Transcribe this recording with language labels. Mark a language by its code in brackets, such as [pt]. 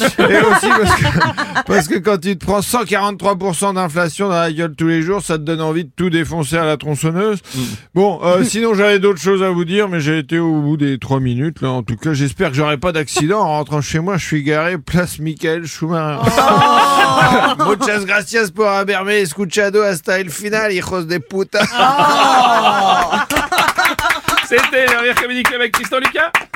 [fr] Et aussi parce que quand tu te prends 143% d'inflation dans la gueule tous les jours, ça te donne envie de tout défoncer à la tronçonneuse. Bon, sinon, j'avais d'autres choses à vous dire, mais j'ai été au bout des 3 minutes. Là. En tout cas, j'espère que j'aurai pas d'accident. En rentrant chez moi, je suis garé, place Michael Schumacher. Oh [es] muchas gracias por haberme escuchado hasta el final, hijos de puta. Oh [fr] c'était la dernière comédie avec Tristan Lucas.